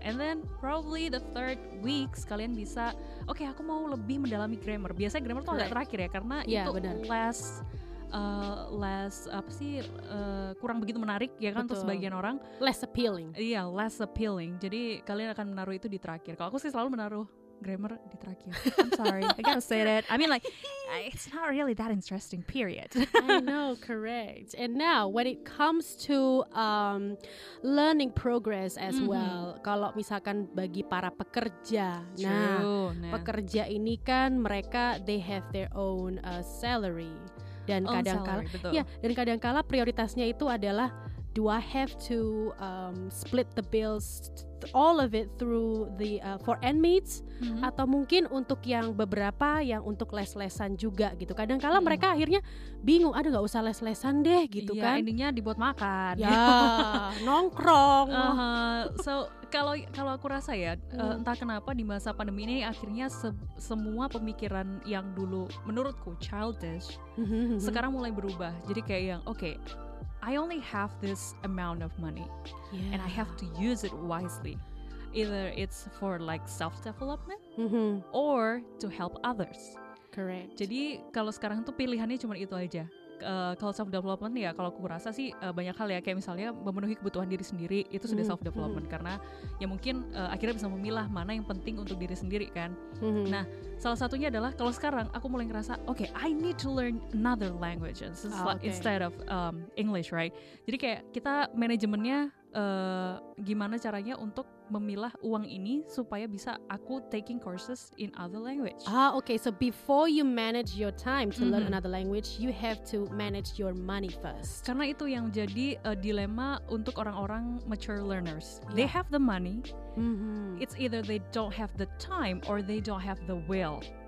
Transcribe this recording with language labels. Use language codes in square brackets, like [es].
[en] And then probably the third week [id] kalian bisa, okay, aku mau lebih mendalami grammar. Biasanya grammar tuh agak terakhir ya, karena itu less kurang begitu menarik ya kan untuk sebagian orang. [en] Less appealing. Iya, less appealing. [id] Jadi kalian akan menaruh itu di terakhir. Kalau aku sih selalu menaruh grammar di terakhir. [en] I'm sorry, I gotta say that. I mean like, it's not really that interesting, period. I know, correct. And now, when it comes to learning progress as well, [id] kalau misalkan bagi para pekerja, pekerja ini kan mereka, [en] they have their own salary. [id] Dan kadangkala, dan kadangkala prioritasnya itu adalah, [en] do I have to split the bills, all of it through the for inmates, [id] atau mungkin untuk yang beberapa yang untuk les-lesan juga gitu. Kadangkala mereka akhirnya bingung, aduh nggak usah les-lesan deh gitu kan. Endingnya dibuat makan. Nongkrong. So kalau aku rasa ya, entah kenapa di masa pandemi ini akhirnya semua pemikiran yang dulu menurutku childish sekarang mulai berubah. Jadi kayak yang [en] I only have this amount of money and I have to use it wisely. Either it's for like self-development or to help others. Correct. [id] Jadi kalau sekarang tuh pilihannya cuma itu aja. Kalau self-development ya kalau aku rasa sih banyak hal ya. Kayak misalnya memenuhi kebutuhan diri sendiri itu sudah self-development. Karena ya mungkin akhirnya bisa memilah mana yang penting untuk diri sendiri kan. Nah salah satunya adalah kalau sekarang aku mulai ngerasa, [en] I need to learn another language instead of English, right? [id] Jadi kayak kita manajemennya gimana caranya untuk memilah uang ini supaya bisa aku [en] taking courses in other language. Ah, okay. So before you manage your time to learn another language, you have to manage your money first. [id] Karena itu yang jadi dilema untuk orang-orang mature learners. [en] They have the money. It's either they don't have the time or they don't have the will.